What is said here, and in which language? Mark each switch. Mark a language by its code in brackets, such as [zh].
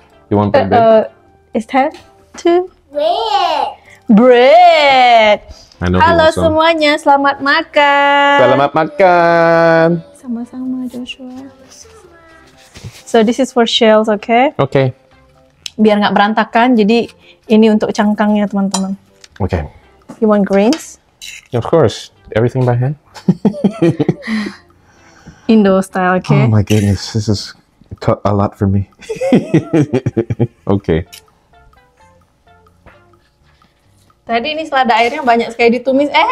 [en] You want bread? Is that two? Bread. I know. Hello, [id] semuanya. Selamat makan. Selamat makan. Sama-sama, [en] Joshua. So this is for shells, okay? Okay. [id] Biar nggak berantakan, jadi ini untuk cangkangnya, teman-teman. [en] Okay. You want greens? Of course, everything by hand. Indo style, okay? Oh my goodness, this is a lot for me. Okay. [id] Tadi ini selada airnya banyak sekali ditumis.